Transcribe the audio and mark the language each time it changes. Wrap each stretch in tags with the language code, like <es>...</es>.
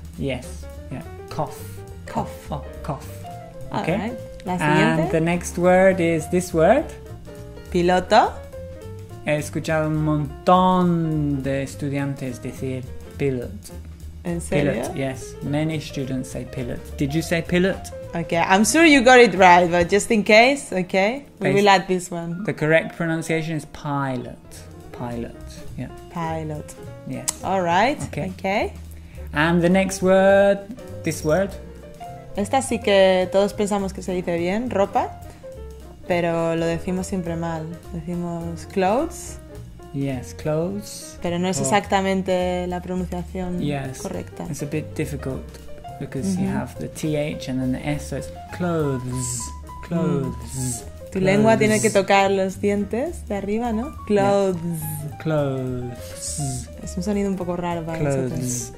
<en>Yes, yeah. Cough. Cough. Oh, cough. Okay. All right.</en> <es>La siguiente.</es> <en>And the next word is this word.</en> <es>Piloto. He escuchado un montón de estudiantes decir pilot. ¿En serio?</es> <en>Pilot, yes. Many students say pilot. Did you say pilot? Okay, I'm sure you got it right, but just in case, okay? We'll add this one. The correct pronunciation is pilot. Pilot, yeah. Pilot. Yes. All right, okay. And the next word, this word.</en> <es>Esta sí que todos pensamos que se dice bien, ropa. Pero lo decimos siempre mal. Decimos clothes.</es> <en>Yes, clothes.</en> <es>Pero no es exactamente la pronunciación correcta.</es> <en>It's a bit difficult. because mm-hmm. you have the TH and then the S, so it's clothes, clothes. Mm.</en> <es>Tu</es> <en>clothes.</en> <es>Lengua tiene que tocar los dientes de arriba, ¿no?</es> <en>Clothes. Yeah. Clothes.</en> <es>Es un sonido un poco raro para nosotros.</es>